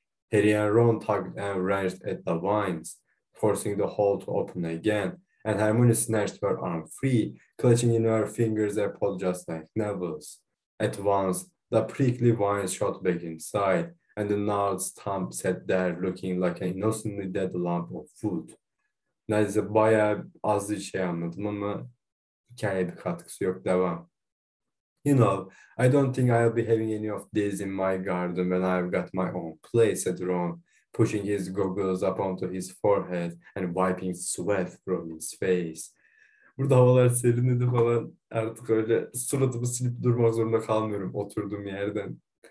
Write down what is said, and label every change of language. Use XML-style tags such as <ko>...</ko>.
<en>Harry and Ron tugged and wrenched at the vines, forcing the hole to open again, and Hermione snatched her arm free, clutching in her fingers a pod just like Neville's. At once, the prickly vines shot back inside, and the gnarled stump sat there looking like an innocently dead lump of food.</en> <tr>Neyse, bayağı azıcık şey anladım ama hikayeye bir katkısı yok. Devam.</tr> <en>You know, I don't think I'll be having any of this in my garden when I've got my own place, said Ron, pushing his goggles up onto his forehead and wiping sweat from his face.</en> <tr>Burada havalar serinledi falan. Artık öyle suratımı silip durmak zorunda kalmıyorum oturduğum yerden.</tr>